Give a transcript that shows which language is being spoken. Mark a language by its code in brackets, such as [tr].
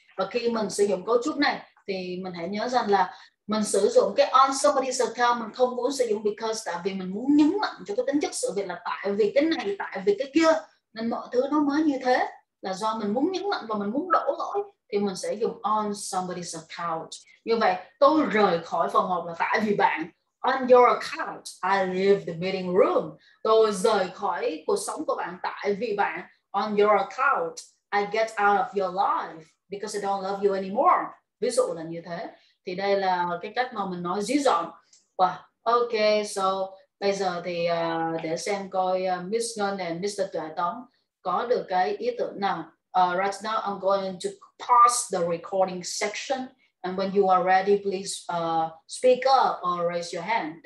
[vi] Và khi mình sử dụng cấu trúc này thì mình hãy nhớ rằng là mình sử dụng cái [en] on somebody's account, [vi] mình không muốn sử dụng [en] because, [vi] tại vì mình muốn nhấn mạnh cho cái tính chất sự việc là tại vì cái này, tại vì cái kia, nên mọi thứ nó mới như thế, là do mình muốn nhấn mạnh và mình muốn đổ lỗi, thì mình sẽ dùng on somebody's account. Như vậy, tôi rời khỏi phòng họp là tại vì bạn. [en] On your account, I leave the meeting room. [vi] Tôi rời khỏi cuộc sống của bạn tại vì bạn. [en] On your account, I get out of your life because I don't love you anymore. [vi] Ví dụ là như thế. Thì đây là cái cách mà mình nói dí dỏm. [en] Wow. Ok, so [vi] bây giờ thì để xem coi Miss Ngân and Mr. Tuệ Tống có được cái ý tưởng nào. [en] Right now, I'm going to pause the recording section. And when you are ready, please speak up or raise your hand.